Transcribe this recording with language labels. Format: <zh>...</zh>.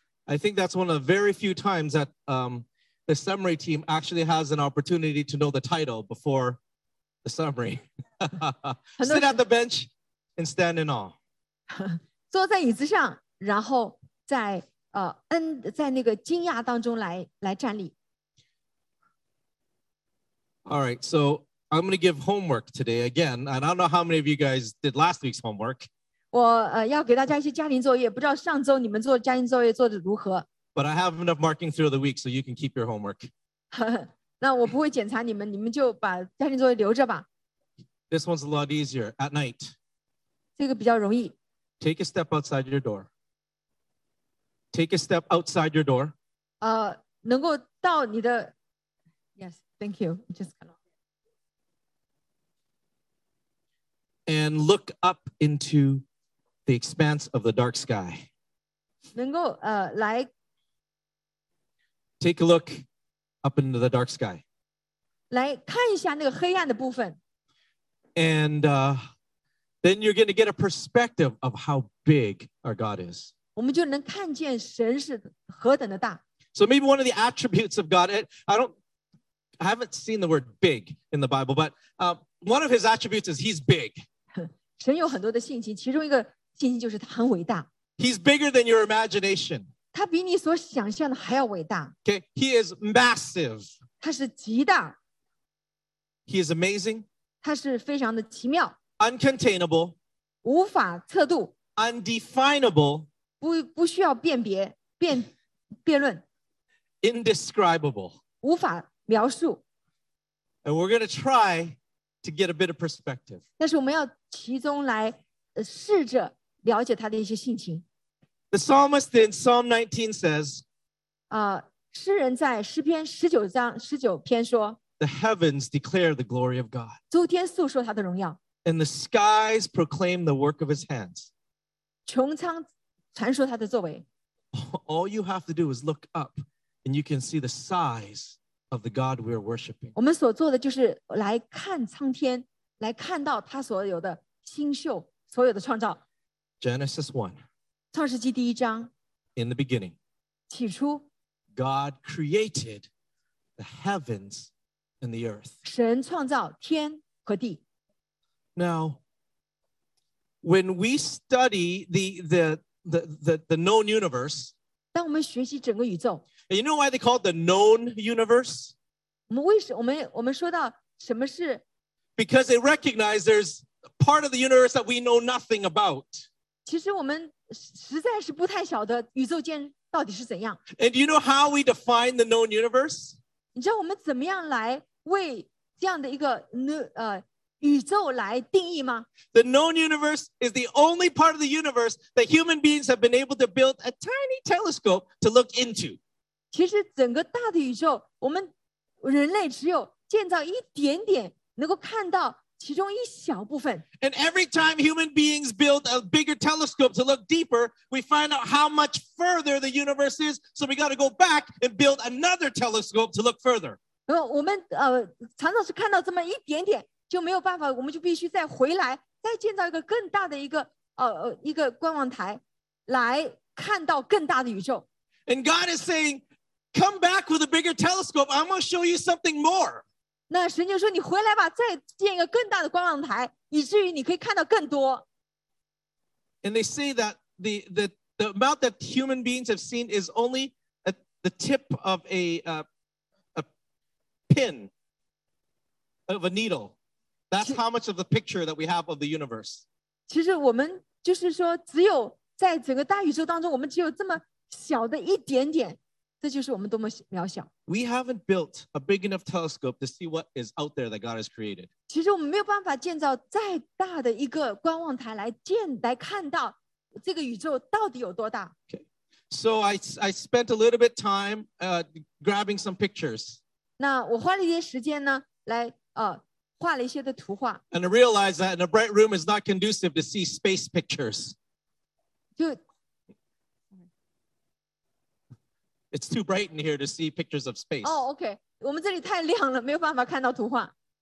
<en>I think that's one of the very few times that the summary team actually has an opportunity to know the title before the summary. Sit at the bench and stand in awe.</en> <zh>坐在椅子上，然后在那个惊讶当中来站立。</zh> <en>All right, so I'm going to give homework today again. And I don't know how many of you guys did last week's homework.</en> <zh>我要给大家一些家庭作业，不知道上周你们做家庭作业做得如何。</zh> <en>But I have enough marking through the week, so you can keep your homework.</en> <zh>那我不会检查你们，你们就把家庭作业留着吧。</zh> <en>This one's a lot easier at night.</en> <zh>这个比较容易。</zh> <en>Take a step outside your door. Take a step outside your door.</en> <zh>能够到你的</zh> <en>Yes. Thank you. Just kind of... And look up into the expanse of the dark sky.</en> <zh>能够来</zh> <en>Take a look up into the dark sky.</en> <zh>来看一下那个黑暗的部分</zh> <en>And then you're going to get a perspective of how big our God is.</en> <zh>我们就能看见神是何等的大</zh> <en>So maybe one of the attributes of God, I haven't seen the word big in the Bible, but one of his attributes is he's big.</en> <zh>神有很多的性情，其中一个性情就是他很伟大。</zh> <en>He's bigger than your imagination.</en> <zh>他比你所想象的还要伟大。</zh> <en>Okay, he is massive.</en> <zh>他是极大。</zh> <en>He is amazing.</en> <zh>他是非常的奇妙。</zh> <en>Uncontainable.</en> <zh>无法测度。</zh> <en>Undefinable.</en> <zh>不需要辨别辩论。</zh> <en>Indescribable.</en> <zh>无法描述。</zh> <en>And we're going to try to get a bit of perspective.</en> <zh>但是我们要其中来试着了解他的一些性情。</zh> <en>The psalmist in Psalm 19 says,</en> <zh>诗人在诗篇19篇说,</zh> <en>The heavens declare the glory of God.</en> <zh>诸天诉说他的荣耀。</zh> <en>And the skies proclaim the work of his hands.</en> <zh>穹苍传说他的作为。</zh> <en>All you have to do is look up and you can see the size of the God we're worshiping.</en> <zh>我们所做的就是来看苍天，来看到他所有的星宿，所有的创造。</zh> <en>Genesis 1.</en> <zh>创世纪第一章</zh> <en>In the beginning,</en> <zh>起初</zh> <en>God created the heavens and the earth.</en> <zh>神创造天和地。</zh> <en>Now, when we study the known universe,</en> <zh>当我们学习整个宇宙</zh> <en>you know why they call it the known universe?</en> <zh>我们说到什么是</zh> <en>Because they recognize there's part of the universe that we know nothing about.</en> <zh>其实我们实在是不太晓得宇宙间到底是怎样。</zh> <en>And do you know how we define the known universe?</en> <zh>你知道我们怎么样来为这样的一个宇宙来定义吗？</zh> <en>The known universe is the only part of the universe that human beings have been able to build a tiny telescope to look into.</en> <zh>其实整个大的宇宙，我们人类只有建造一点点能够看到其中一小部分。</zh> <en>And every time human beings build a bigger telescope to look deeper, we find out how much further the universe is, so we got to go back and build another telescope to look further.</en> <zh>我们常常是看到这么一点点就没有办法，我们就必须再回来再建造一个更大的一个观望台来看到更大的宇宙。</zh> <en>And God is saying, come back with a bigger telescope, I'm going to show you something more.</en> <zh>那神就说你回来吧，再建一个更大的观望台，以至于你可以看到更多。</zh> <en>And they say that the amount that human beings have seen is only at the tip of a pin of a needle. That's how much of the picture that we have of the universe.</en> <zh>其实我们就是说只有在整个大宇宙当中我们只有这么小的一点点。这就是我们多么渺小。</zh> <en>We haven't built a big enough telescope to see what is out there that God has created.</en> <zh>其实我们没有办法建造再大的一个观望台来看到这个宇宙到底有多大。</zh> <en>Okay. So I spent a little bit time grabbing some pictures.</en> <zh>那我花了一些时间呢，来画了一些的图画。</zh> <en>And I realized that in a bright room is not conducive to see space pictures.</en> <zh>就</zh> <en>It's too bright in here to see pictures of space. Oh, okay.</en> <zh>我们这里太亮了，没有办法看到图画。</zh>